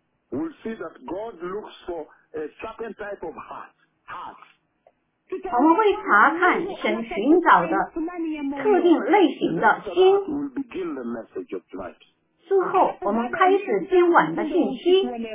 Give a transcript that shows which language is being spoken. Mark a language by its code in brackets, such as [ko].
[en] We'll see that God looks for a certain type of heart. Heart. [zh] 我们会查看神寻找的特定类型的心。 [en] We'll begin the message of tonight. [zh] 之后我们开始今晚的信息。